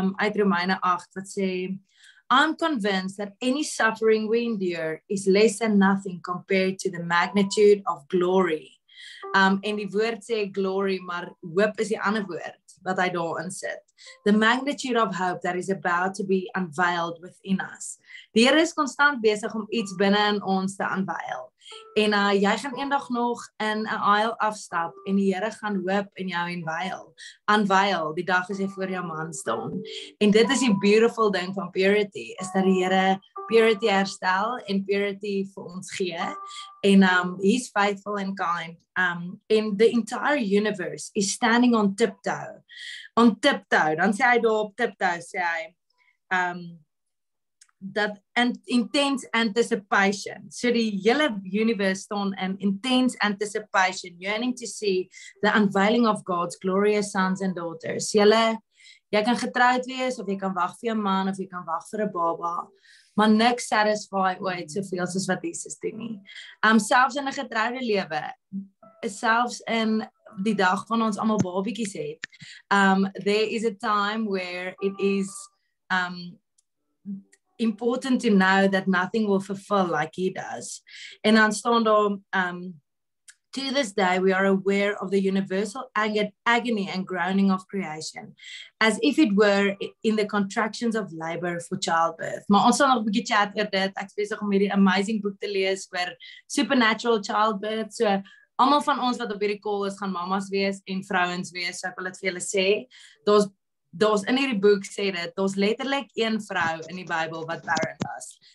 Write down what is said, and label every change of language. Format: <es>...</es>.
<af>Uit Romeine 8 wat sê,</af> <en>I'm convinced that any suffering we endure is less than nothing compared to the magnitude of glory.</en> <af>En die woord sê glory, maar hoop is die ander woord wat hy daarin sit.</af> <en>The magnitude of hope that is about to be unveiled within us.</en> <af>Die Here is konstant besig om iets binne in ons te unveil. En jy gaan eendag nog in 'n aisle afstap en die Here gaan hoop in jou unveil. Unveil, die dag as jy voor jou man staan. En dit is die beautiful ding van purity, is dat die Here purity herstel en purity vir ons gee.</af> <en>En he's faithful and kind. In the entire universe is standing on tiptoe. On tiptoe,</en> <af>dan sê hy daar op tiptoe, sê hy,</af> <en>that intense anticipation.</en> <af>So die hele universe staan in</af> <en>intense anticipation, yearning to see the unveiling of God's glorious sons and daughters.</en> <af>Julle, jy kan getroud wees, of jy kan wag vir 'n man, of jy kan wag vir 'n baba, maar niks satisfy ooit soveel soos wat Jesus doen nie. Selfs in 'n getroude lewe, selfs in die dag van ons almal babietjies het,</af> <en>there is a time where it is important to know that nothing will fulfill like he does.</en> <af>En dan staan daar,</af> <en>to this day we are aware of the universal agony and groaning of creation, as if it were in the contractions of labor for childbirth.</en> <af>Maar ons sal nog 'n bietjie chat oor dit. Ek spesiaal om hierdie amazing boek te lees oor supernatural childbirth. So almal van ons wat op hierdie call is, gaan mamas wees en vrouens wees. So ek wil dit vir julle sê. Daar's in hierdie boek sê dit, daar's letterlik een vrou in die Bybel wat barren was.</af>